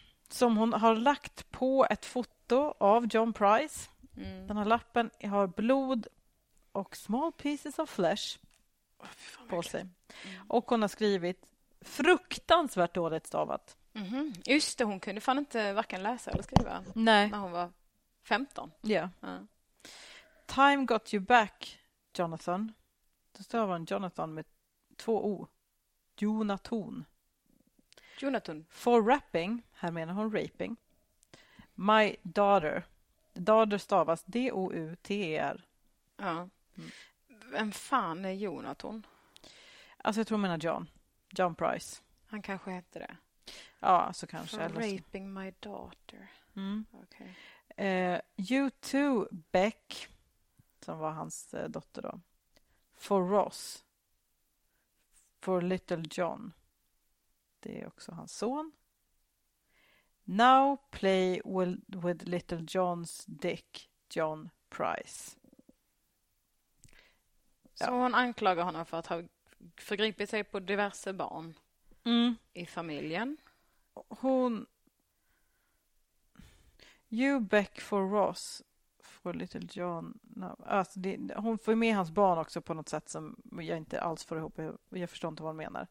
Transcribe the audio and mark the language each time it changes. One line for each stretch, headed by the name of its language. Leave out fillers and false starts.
Swedish: Som hon har lagt på ett foto av John Price. Mm. Den här lappen har blod och
English: small pieces of flesh
Swedish: på sig. Mm. Och hon har skrivit fruktansvärt dåligt stavat. Mm-hmm. Just det, hon kunde fan inte varken läsa eller skriva. Nej. När hon var 15. Ja.
English: Yeah. Time got you back, Jonathan.
Swedish: Då stavar hon Jonathan med två O. Jonathan. Jonathan.
English: For rapping,
Swedish: här menar hon raping.
English: My daughter.
Swedish: Daughter stavas D-O-U-T-E-R. Ja. Mm. Vem fan är Jonathan? Alltså jag tror menar John. John Price. Han kanske heter det. Ja, så kanske.
English: For raping my daughter. Mm. Okay. You too, Beck.
Swedish: Som var hans dotter då.
English: For Ross. For little John.
Swedish: Det är också hans son.
English: Now play with little John's dick, John Price.
Swedish: Ja. Så hon anklagar honom för att ha förgripit sig på diverse barn i familjen. Hon...
English: You back for Ross for little John. No.
Swedish: Alltså det, hon får med hans barn också på något sätt som jag inte alls får ihop. Jag förstår inte vad hon menar.